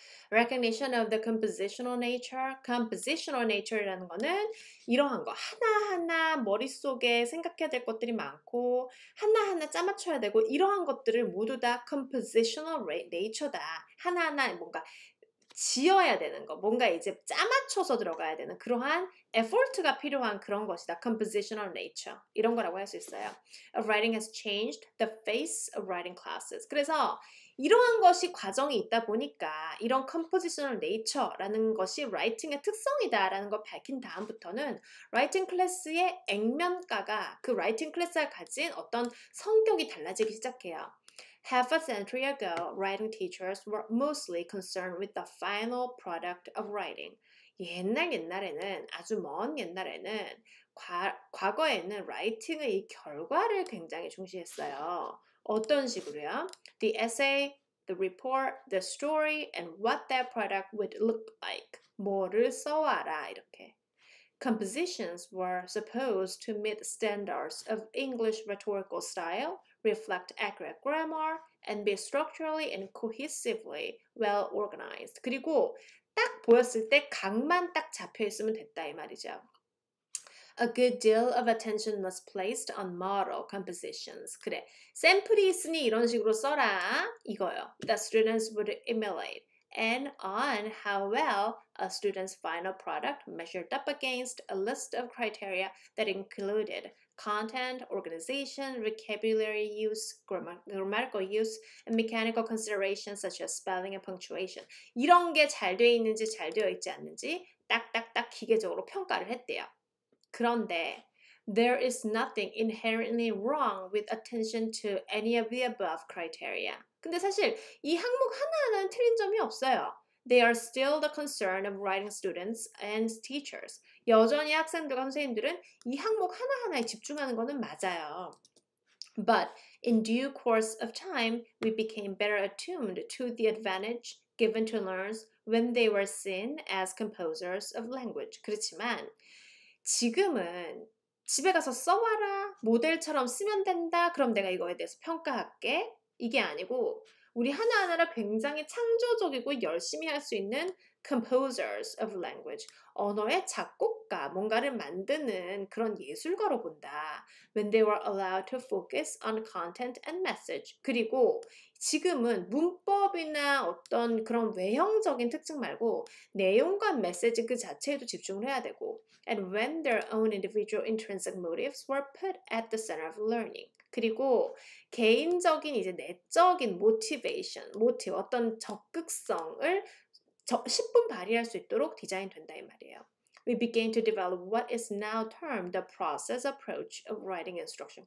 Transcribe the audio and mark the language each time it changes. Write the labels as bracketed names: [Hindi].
[English] Recognition of the compositional nature. [Korean] Compositional nature라는 거는 이러한 거 하나하나 머릿속에 생각해야 될 것들이 많고 하나하나 짜맞춰야 되고 이러한 것들을 모두 다 compositional nature다. 하나하나 뭔가 지어야 되는 거, 뭔가 이제 짜맞춰서 들어가야 되는 그러한 effort가 필요한 그런 것이다. [English] Compositional nature. [Korean] 이런 거라고 할수 있어요. [English] Writing has changed the face of writing classes. [Korean] 그래서 이러한 것이 과정이 있다 보니까 이런 Compositional Nature라는 것이 라이팅의 특성이다라는 걸 밝힌 다음부터는 라이팅 클래스의 액면가가 그 라이팅 클래스가 가진 어떤 성격이 달라지기 시작해요. [English] Half a century ago, writing teachers were mostly concerned with the final product of writing. [Korean] 옛날 옛날에는 아주 먼 옛날에는 과거에는 라이팅의 결과를 굉장히 중시했어요. 어떤 식으로요? [English] The essay, the report, the story, and what that product would look like. [Korean] 뭐를 써와라, 이렇게. [English] Compositions were supposed to meet standards of English rhetorical style, reflect accurate grammar, and be structurally and cohesively well organized. [Korean] 그리고 딱 보였을 때 각만 딱 잡혀 있으면 됐다, 이 말이죠. [English] A good deal of attention was placed on model compositions. [Korean] 그래, 샘플이 있으니 이런 식으로 써라. 이거요. [English] The students would emulate. And on how well a student's final product measured up against a list of criteria that included content, organization, vocabulary use, grammatical use, and mechanical considerations such as spelling and punctuation. [Korean] 이런 게잘 되어 있는지 잘 되어 있지 않는지 딱딱딱 기계적으로 평가를 했대요. 그런데 [English] there is nothing inherently wrong with attention to any of the above criteria. [Korean] 근데 사실 이 항목 하나는 틀린 점이 없어요. [English] They are still the concern of writing students and teachers. [Korean] 여전히 학생들과 선생님들은 이 항목 하나하나에 집중하는 거는 맞아요. [English] But in due course of time, we became better attuned to the advantage given to learners when they were seen as composers of language. [Korean] 그렇지만 지금은 집에 가서 써와라. 모델처럼 쓰면 된다. 그럼 내가 이거에 대해서 평가할게. 이게 아니고, 우리 하나하나를 굉장히 창조적이고 열심히 할수 있는 [English] composers of language. [Korean] 언어의 작곡가, 뭔가를 만드는 그런 예술가로 본다. [English] When they were allowed to focus on content and message. [Korean] 그리고 지금은 문법이나 어떤 그런 외형적인 특징 말고 내용과 메시지 그 자체에도 집중을 해야 되고. [English] And when their own individual intrinsic motives were put at the center of learning. [Korean] 그리고 개인적인 이제 내적인 motivation, motive, 어떤 적극성을 10분 발휘할 수 있도록 디자인된다 이 말이에요. [English] We began to develop what is now termed the process approach of writing instruction.